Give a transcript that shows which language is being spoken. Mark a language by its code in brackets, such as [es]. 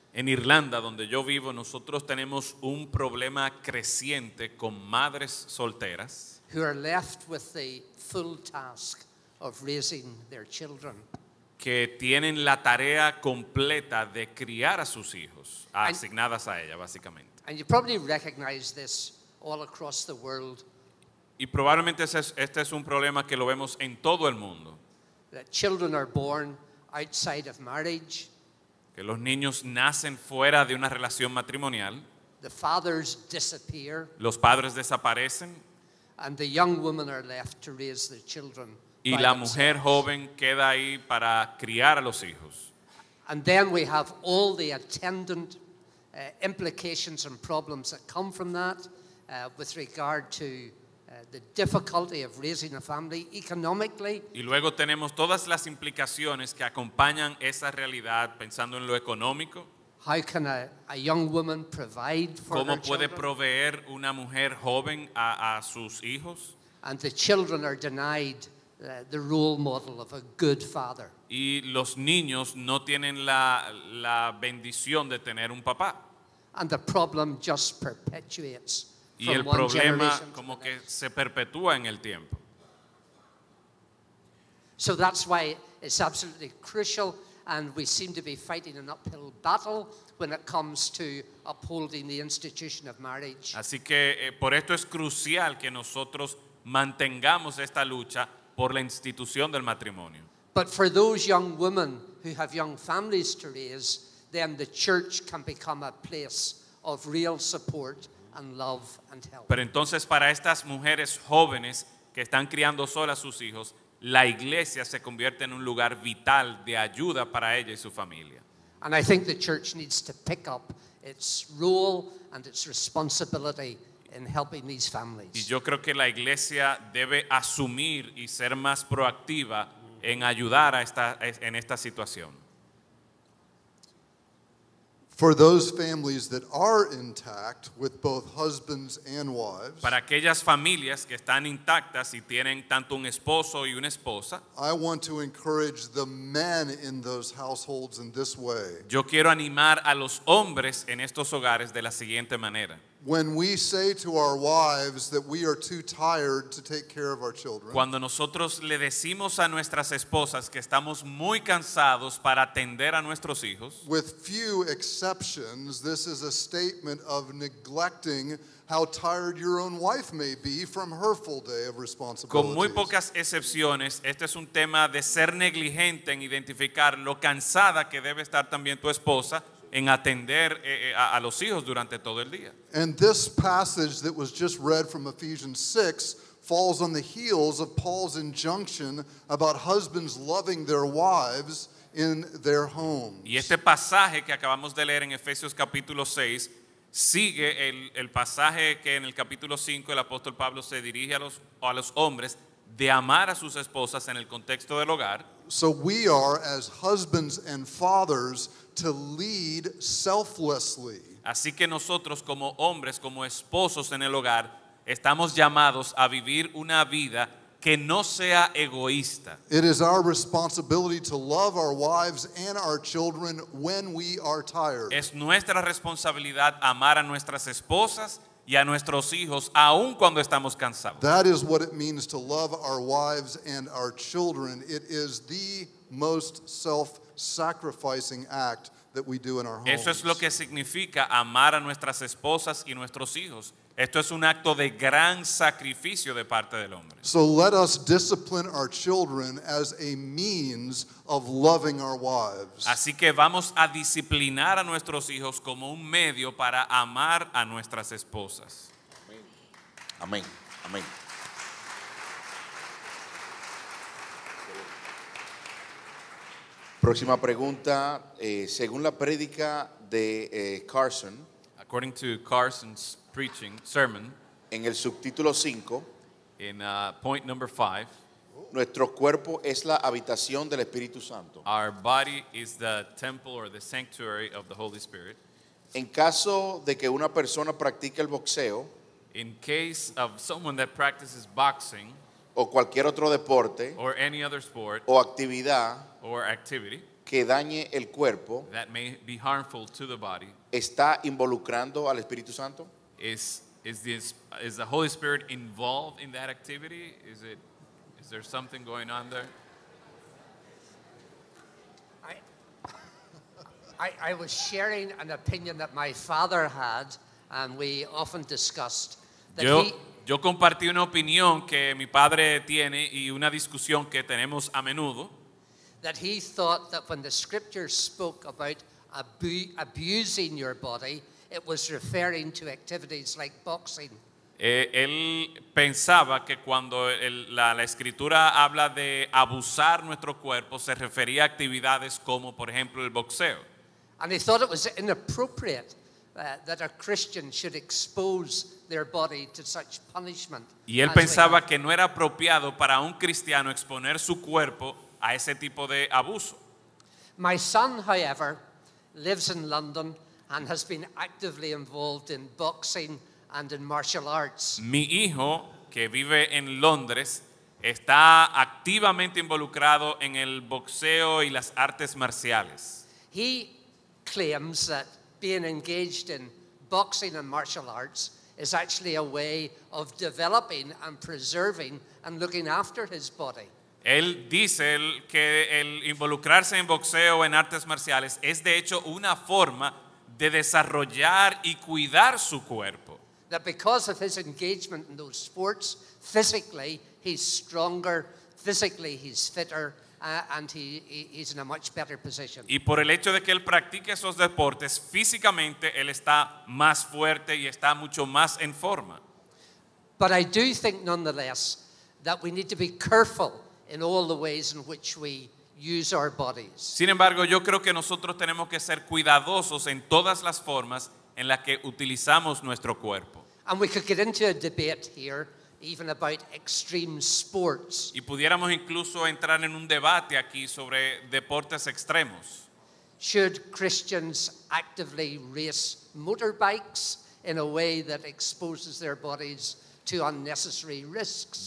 [es] En Irlanda, donde yo vivo, nosotros tenemos un problema creciente con madres solteras [en] who are left with the full task of raising their children. [es] Que tienen la tarea completa de criar a sus hijos, asignadas a ella, básicamente. [en] And you probably recognize this all across the world. [es] Y probablemente este es un problema que lo vemos en todo el mundo. [en] That children are born outside of marriage. [es] Que los niños nacen fuera de una relación matrimonial. [en] The fathers disappear. [es] Los padres desaparecen. [en] And the young women are left to raise their children. [es] Y la mujer joven queda ahí para criar a los hijos. [en] And then we have all the attendant implications and problems that come from that, with regard to the difficulty of raising a family economically. [es] Y luego tenemos todas las implicaciones que acompañan esa realidad pensando en lo económico. [en] How can a young woman provide for her children? [es] ¿Cómo puede proveer una mujer joven a sus hijos? [en] And the children are denied the role model of a good father. [es] Y los niños no tienen la bendición de tener un papá. [en] And the problem just perpetuates from one generation. [es] Y el problema como que se perpetúa en el tiempo. [en] So that's why it's absolutely crucial, and we seem to be fighting an uphill battle when it comes to upholding the institution of marriage. [es] Así que por esto es crucial que nosotros mantengamos esta lucha por la institución del matrimonio. [en] But for those young women who have young families to raise, then the church can become a place of real support and love and help. [es] Pero entonces para estas mujeres jóvenes que están criando solas sus hijos, la iglesia se convierte en un lugar vital de ayuda para ella y su familia. [en] And I think the church needs to pick up its role and its responsibility in helping these families. [es] Y yo creo que la iglesia debe asumir y ser más proactiva en ayudar en esta situación. [en] For those families that are intact with both husbands and wives, [es] para aquellas familias que están intactas y tienen tanto un esposo y una esposa, [en] I want to encourage the men in those households in this way. [es] Yo quiero animar a los hombres en estos hogares de la siguiente manera. [en] When we say to our wives that we are too tired to take care of our children, [es] cuando nosotros le decimos a nuestras esposas que estamos muy cansados para atender a nuestros hijos, [en] with few exceptions, this is a statement of neglecting how tired your own wife may be from her full day of responsibilities. [es] Con muy pocas excepciones, este es un tema de ser negligente en identificar lo cansada que debe estar también tu esposa en atender a los hijos durante todo el día. [en] And this passage that was just read from Ephesians 6 falls on the heels of Paul's injunction about husbands loving their wives in their homes. [es] Y este pasaje que acabamos de leer en Efesios capítulo 6 sigue el pasaje que en el capítulo 5 el apóstol Pablo se dirige a los hombres de amar a sus esposas en el contexto del hogar. [en] So we are, as husbands and fathers, to lead selflessly. [es] Así que nosotros como hombres, como esposos en el hogar, estamos llamados a vivir una vida que no sea egoísta. [en] It is our responsibility to love our wives and our children when we are tired. [es] Es nuestra responsabilidad amar a nuestras esposas y a nuestros hijos aun cuando estamos cansados. [en] That is what it means to love our wives and our children. It is the most selfless sacrificing act that we do in our homes. [es] Eso es lo que significa amar a nuestras esposas y nuestros hijos. Esto es un acto de gran sacrificio de parte del hombre. [en] So let us discipline our children as a means of loving our wives. [es] Así que vamos a disciplinar a nuestros hijos como un medio para amar a nuestras esposas. Amén. Amén. Amén. Próxima pregunta, según la prédica de Carson, [en] according to Carson's preaching sermon, [es] en el subtítulo 5, [en] in point number 5, [es] nuestro cuerpo es la habitación del Espíritu Santo. [en] Our body is the temple or the sanctuary of the Holy Spirit. [es] En caso de que una persona practique el boxeo, [en] in case of someone that practices boxing, [es] o cualquier otro deporte, [en] or any other sport, [es] o actividad, [en] or activity, [es] que dañe el cuerpo, [en] that may be harmful to the body, [es] está involucrando al Espíritu Santo? [en] Is the Holy Spirit involved in that activity? Is there something going on there? I was sharing an opinion that my father had, and we often discussed that. [es] Yo compartí una opinión que mi padre tiene y una discusión que tenemos a menudo. [en] That he thought that when the scripture spoke about abusing your body, it was referring to activities like boxing. [es] Él pensaba que cuando la escritura habla de abusar nuestro cuerpo, se refería a actividades como, por ejemplo, el boxeo. [en] And he thought it was inappropriate that a Christian should expose their body to such punishment. [es] Y él pensaba que no era apropiado para un cristiano exponer su cuerpo a ese tipo de abuso. [en] My son, however, lives in London and has been actively involved in boxing and in martial arts. [es] Mi hijo, que vive en Londres, está activamente involucrado en el boxeo y las artes marciales. [en] He claims that being engaged in boxing and martial arts is actually a way of developing and preserving and looking after his body. [es] Él dice que el involucrarse en boxeo o en artes marciales es de hecho una forma de desarrollar y cuidar su cuerpo. [en] That because of his engagement in those sports, physically he's stronger, physically he's fitter, and he's in a much better position. [es] Y por el hecho de que él practique esos deportes, físicamente él está más fuerte y está mucho más en forma. [en] But I do think nonetheless that we need to be careful in all the ways in which we use our bodies. [es] Sin embargo, yo creo que nosotros tenemos que ser cuidadosos en todas las formas en las que utilizamos nuestro cuerpo. [en] And we could get into a debate here even about extreme sports. [es] Y pudiéramos incluso entrar en un debate aquí sobre deportes extremos. [en] Should Christians actively race motorbikes in a way that exposes their bodies to unnecessary risks?